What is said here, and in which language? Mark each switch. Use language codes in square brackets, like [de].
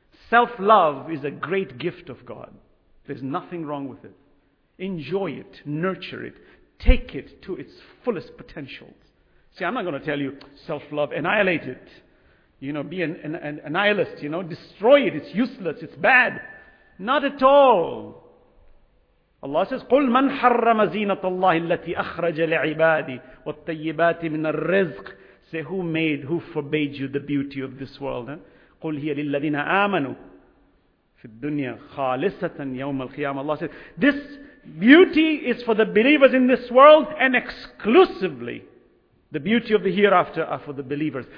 [en] Self-love is a great gift of God. There's nothing wrong with it. Enjoy it, nurture it, take it to its fullest potentials. See, I'm not going to tell you self-love, annihilate it. You know, be an nihilist, you know, destroy it, it's useless, it's bad. Not at all. Allah says, [ar] قُلْ مَنْ حَرَّمَ زِينَةَ اللَّهِ الَّتِي أَخْرَجَ لِعِبَادِي وَالطَّيِّبَاتِ مِنَ الرِّزْقِ. [en] Say, who forbade you the beauty of this world? [ar] قُلْ هِيَ لِلَّذِينَ آمَنُوا فِي الدُّنْيَا خَالِصَةً يَوْمَ الْقِيَامَةِ. [en] Allah says, this beauty is for the believers in this world, and exclusively the beauty of the hereafter are for the believers.